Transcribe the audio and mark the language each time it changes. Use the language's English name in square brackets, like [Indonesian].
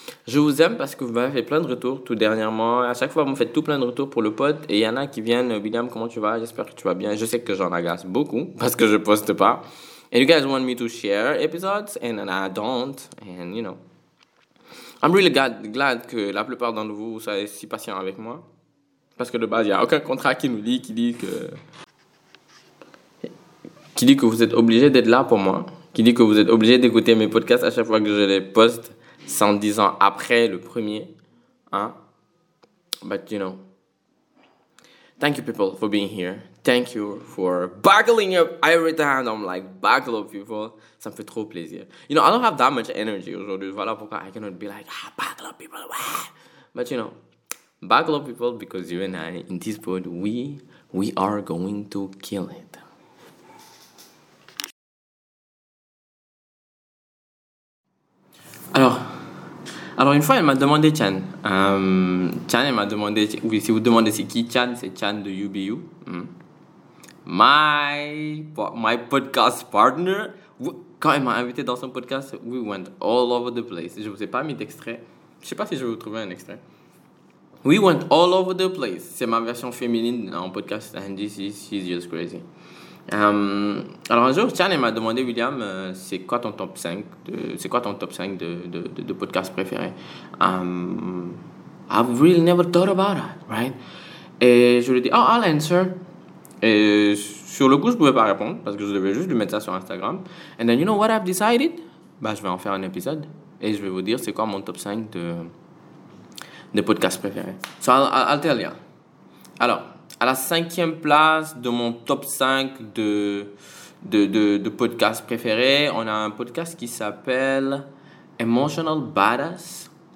[French] Je vous aime parce que vous m'avez fait plein de retours tout dernièrement. À chaque fois, vous me faites tout plein de retours pour le pod. Et il y en a qui viennent, William, comment tu vas? J'espère que tu vas bien. Je sais que j'en agace beaucoup parce que je poste pas. [English] And you guys want me to share episodes and I don't. And you know. I'm really glad que la plupart d'entre vous soyez si patients avec moi. [French] Parce que de base, il n'y a aucun contrat qui nous dit, qui dit que vous êtes obligé d'être là pour moi. Qui dit que vous êtes obligé d'écouter mes podcasts à chaque fois que je les poste, 110 ans après le premier. Hein? [English] But you know, thank you people for being here. Thank you for buckling up every time. I'm like, buckle up people. [French] Ça me fait trop plaisir. [English] You know, I don't have that much energy [French] aujourd'hui. Voilà pourquoi [English] I cannot be like, buckle up people. Wah. But you know. Backlog people, because you and I, in this boat, we are going to kill it. [French] Alors une fois, elle m'a demandé Chan. Chan, elle m'a demandé, oui, si vous demandez c'est qui Chan, c'est Chan de UBU. [English] My podcast partner. [French] Quand elle m'a invité dans son podcast, [English] we went all over the place. [French] Je vous ai pas mis d'extrait. Je sais pas si je vais vous trouver un extrait. [English] We went all over the place. [French] C'est ma version féminine en podcast. [English] And this is, she's just crazy. [French] Alors un jour, Chan m'a demandé, William, c'est quoi ton top 5 de podcast préféré? [English] I've really never thought about it, right? [French] Et je lui ai dit, [English] oh, I'll answer. [French] Et sur le coup, je ne pouvais pas répondre parce que je devais juste lui mettre ça sur Instagram. [English] And then, you know what I've decided? [French] Bah, je vais en faire un épisode et je vais vous dire c'est quoi mon top 5 de podcasts préférés. [English] So, I'll tell you. [French] Alors, à la cinquième place de mon top 5 de podcasts préférés, on a un podcast qui s'appelle Emotional Badass.